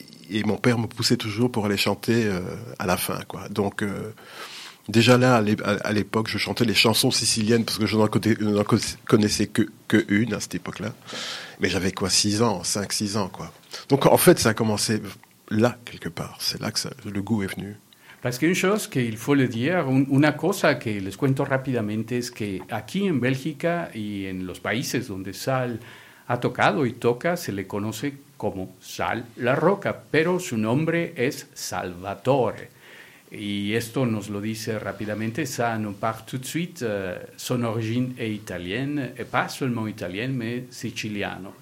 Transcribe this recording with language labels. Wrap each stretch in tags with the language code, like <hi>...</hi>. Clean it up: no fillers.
<fr>Et mon père me poussait toujours pour aller chanter à la fin, quoi. Donc, déjà là, à l'époque, je chantais les chansons siciliennes parce que je n'en connaissais que une à cette époque-là. Mais j'avais quoi, 5-6 ans, quoi. Donc, en fait, ça a commencé là, quelque part. C'est là que le goût est venu. Parce qu'une chose qu'il faut le dire,</fr> <es>una cosa que les cuento rápidamente, es que aquí en Bélgica y en los países donde Sal ha tocado y toca, se le conoce como Sal la Roca, pero su nombre es Salvatore. Y esto nos lo dice rápidamente,</es> <fr>ça nous part tout de suite, son origine est italienne, et pas seulement italienne, mais siciliano.</fr>